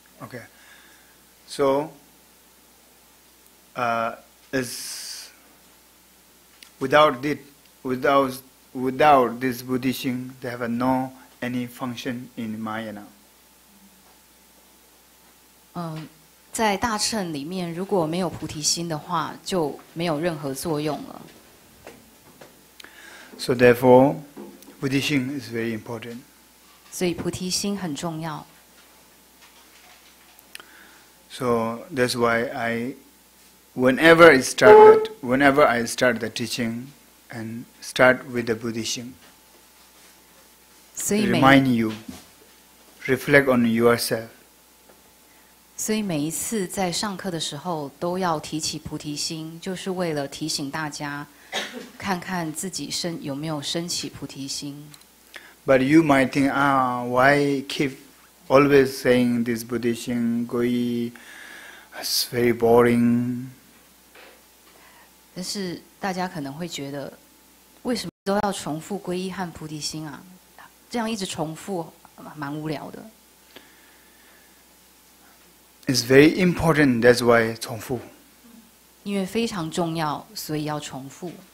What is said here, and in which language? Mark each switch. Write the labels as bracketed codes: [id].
[en] OK， so， is without it, without this Buddhism, they have no any function in Mahayana。 [zh] 在大乘里面，如果没有菩提心的话，就没有任何作用了。 [en] So therefore. 菩提心 is very important. [zh] 所以菩提心很重要。 [en] So that's why I, whenever I started, whenever I start the teaching, and start with the 菩提心. Remind you, reflect on yourself. [zh] 所以每一次在上课的时候都要提起菩提心，就是为了提醒大家。看看自己有没有升起菩提心。 [en] But you might think, ah, why keep always saying this Buddhism Goyi is very boring. [zh] 但是大家可能会觉得，为什么都要重复皈依和菩提心啊？这样一直重复，蛮无聊的。 [en] It's very important. That's why [zh] 重复。因为非常重要，所以要重复。